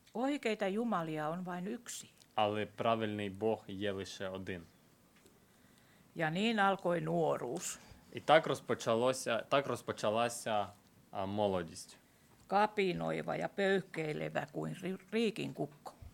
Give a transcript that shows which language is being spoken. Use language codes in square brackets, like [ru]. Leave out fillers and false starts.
[fi] Oikeita jumalia on vain yksi. [uk] Але правильний Бог є лише один. [fi] Ja niin alkoi nuoruus. [uk] І так розпочалося, так розпочалася молодість. [fi] Kapinoiva ja pöyhkeilevä kuin riikin kukko.